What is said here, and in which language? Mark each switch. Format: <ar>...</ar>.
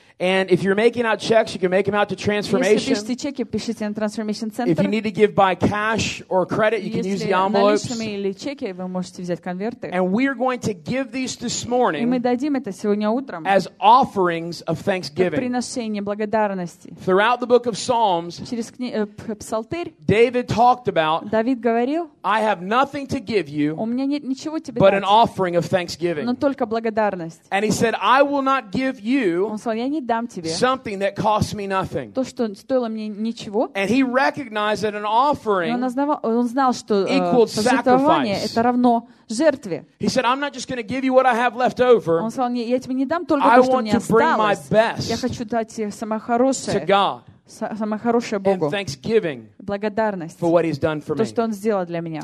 <en>And if you're making out checks, you can make them out to Transformation.</en> <ru>Если пишете чеки, пишите на Transformation Center.</ru> <en>If you need to give by cash or credit, you can use the envelopes.</en> <ru>Если наличными или чеки, вы можете взять конверты.</ru> <en>And we are going to give these this morning.</en> <ru>И мы дадим это сегодня утром.</ru> <en>As offerings of thanksgiving.</en> <ru>Как приношение благодарности.</ru> <en>Throughout the book of Psalms.</en> <ru>Через псалтырь.</ru> <en>David talked about.</en> <ru>Давид говорил.</ru> <en>I have nothing to give you.</en> <ru>У меня нет ничего тебе дать.</ru> <en>But an offering of thanksgiving.</en> <ru>Но только благодарность.</ru> <en>And he said, I will not give you.</en> <ru>Он сказал, не дам тебе.</ru> <en>Something that cost me nothing.</en> <ru>То, что стоило мне ничего.</ru> <en>And he recognized that an offering.</en> <ru>Он знал, что жертвование это равно жертве.</ru> <en>He said, I'm not just going to give you what I have left over.</en> <ru>Он сказал, я тебе не дам только то, что у меня осталось.</ru> <en>I want to bring my best.</en> <ru>Я хочу дать тебе самое хорошее.</ru> <en>To God.</en> <ru>Самое хорошее Богу.</ru> <en>And thanksgiving.</en> <ru>Благодарность.</ru> <en>For what he's done for me.</en> <ru>То, что он сделал для меня.</ru>